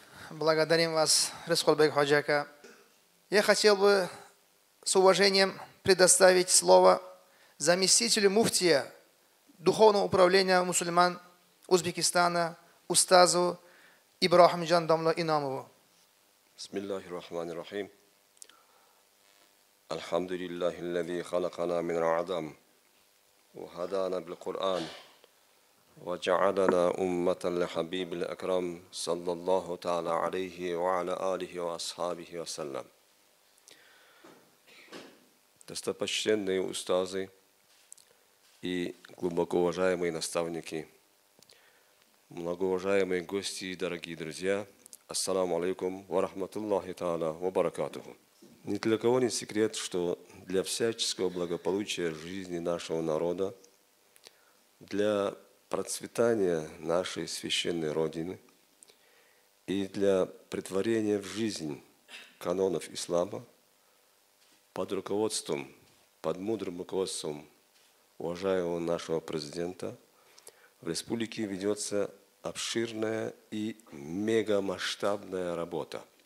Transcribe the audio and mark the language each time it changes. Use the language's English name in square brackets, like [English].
[Russian] Благодарим вас, Рыскулбек Ходжака. Я хотел бы с уважением предоставить слово заместителю муфтия Духовного управления мусульман Узбекистана устазу Ибрахимжан Домло Инамову. [Arabic] بسم الله الرحمن الرحيم الحمد لله الذي خلقنا من عدم وهدانا بالقرآن وجعلنا أمة لحبيب الأكرم صلى الله تعالى عليه وعلى آله وأصحابه وسلم [Russian] достопочтенные устазы и глубоко уважаемые наставники, многоуважаемые гости и дорогие друзья, [Arabic] ассаламу алейкум ва рахматуллахи тааля ва баракатуху. [Russian] Ни для кого не секрет, что для всяческого благополучия жизни нашего народа, для процветания нашей священной Родины и для претворения в жизнь канонов ислама под руководством, под мудрым руководством уважаемого нашего президента в республике ведется обширная и мегамасштабная работа.